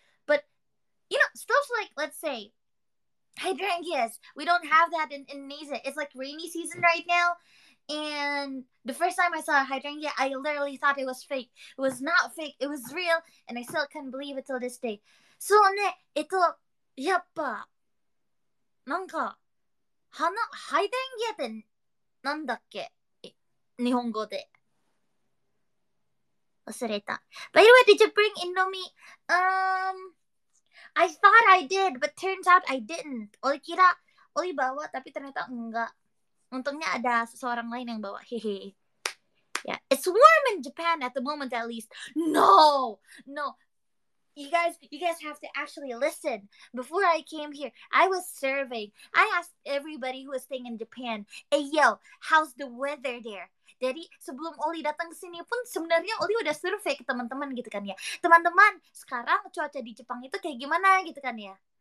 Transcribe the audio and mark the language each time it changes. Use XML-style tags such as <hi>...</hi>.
<en>But you know, stuff like, let's say, hydrangeas. We don't have that in Indonesia. It's like rainy season right now. And the first time I saw a hydrangea, I literally thought it was fake. It was not fake. It was real, and I still can't believe it till this day.</en> <ja>So ne, ito yappa. なんか花ハイデンギアってなんだっけ日本語で忘れた。</ja> <en>By the way, did you bring Indomie? I thought I did, but turns out I didn't.</en> <id>Oli kira Oli bawa, tapi ternyata enggak. Untungnya ada seseorang lain yang bawa. Hehe.</id> <en>Yeah, it's warm in Japan at the moment, at least. No. You guys have to actually listen. Before I came here, I was surveying. I asked everybody who was staying in Japan, "Hey yo, how's the weather there?"</en> <id>Jadi sebelum Oli datang sini pun sebenarnya Oli udah survei ke teman-teman gitu kan ya. Teman-teman, sekarang cuaca di Jepang itu kayak gimana gitu kan ya?</id>